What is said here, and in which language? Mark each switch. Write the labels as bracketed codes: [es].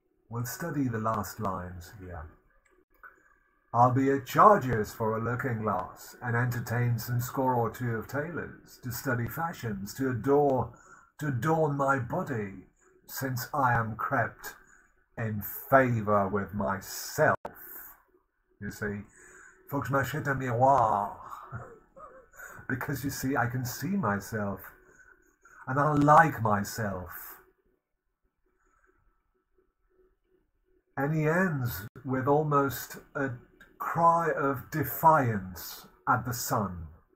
[en] We'll study the last lines here. I'll be at charges for a looking glass, and entertain some score or two of tailors, to study fashions, to adorn my body, since I am crept in favour with myself. You see, [fr] faut que je m'achète un miroir. [en] Because you see, I can see myself, and I like myself. And he ends with almost a cry of defiance at the sun.